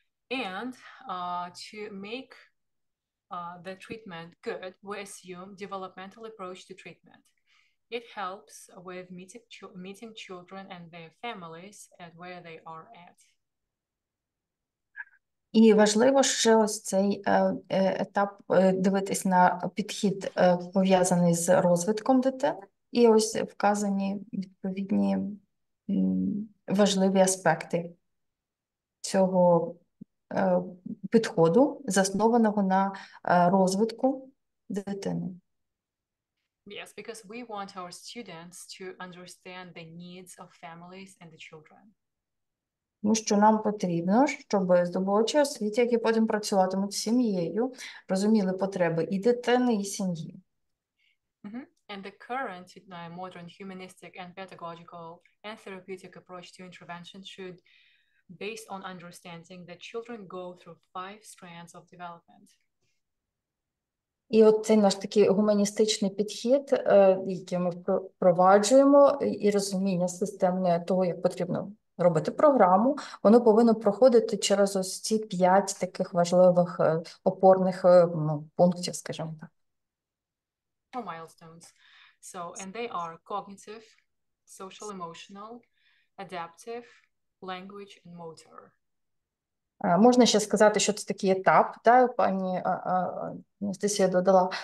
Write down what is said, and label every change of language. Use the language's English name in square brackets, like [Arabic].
[English] And to make the treatment good, we assume developmental approach to treatment. It helps with meeting children and their families at where they are at. [Ukrainian] І важливо ще ось цей етап дивитись на підхід, пов'язаний з розвитком дитини, і ось вказані відповідні важливі аспекти цього підходу, заснованого на розвитку дитини. [English] Yes, because we want our students to understand the needs of families and the children. [Ukrainian] Тому що нам потрібно, щоб здобувачі освіти, які потім працюватимуть з сім'єю, розуміли потреби і дитини, і сім'ї. [English] And the current modern humanistic and pedagogical and therapeutic approach to intervention should based on understanding that children go through five strands of development. [Ukrainian] І от цей наш такий гуманістичний підхід, який ми впроваджуємо, і розуміння системне того, як потрібно робити програму, воно повинно проходити через ось ці п'ять таких важливих опорних пунктів, скажімо так. [English] Or milestones. So, and they are cognitive, social emotional, adaptive, language and motor. [Ukrainian] Можна ще сказати, що це такий етап, да, пані Анастасія додала.